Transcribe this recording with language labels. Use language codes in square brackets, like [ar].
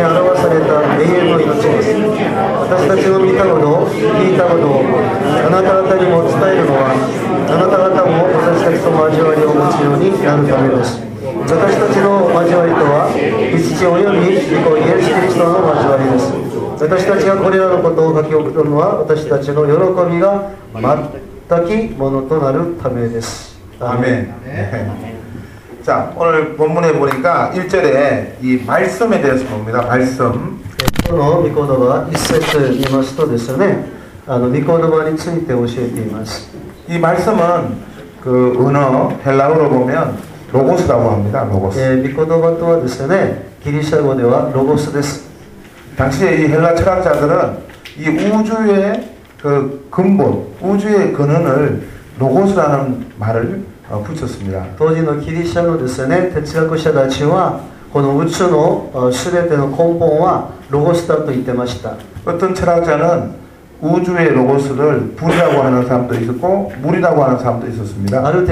[ja] 初めに私たちが聞いたもの、すなわち後にこの場に着いて、この命が現れ、私たちはそれを見たもの、すなわち一緒に共にあって、私たちに表された永遠の命を伝えます。私たちの見たもの、聞いたもの、あなた方にも伝えるのは、あなた方も私たちと交わりを持つようになるためです。私たちの交わりとは、父及び御子イエス・キリストの交わりです。私たちがこれらのことを書き送るのは、私たちの喜びが全くものとなるためです。 [ko] 아멘. 자, 오늘 본문에 보니까 1절에 이 말씀에 대해서 봅니다. 말씀. [ja] この御言葉一節見ますとですね、御言葉について教えています。이 [ko] 말씀은 그 언어 헬라어로 보면 로고스라고 합니다. 로고스. [ja] 御言葉とはですね、ギリシャ語ではロゴスです。 [ko] 당시에 이 헬라 철학자들은 이 우주의 그 근본, 우주의 근원을 로고스라는 말을 붙였습니다. [ja] 当時のギリシャのですね、哲学者たちは この宇宙のすべての根本はロゴスだと言ってました。 [ko] 어떤 철학자는 우주의 로고스를 불이라고 하는 사람도 있었고 물이라고 하는 사람도 있었습니다.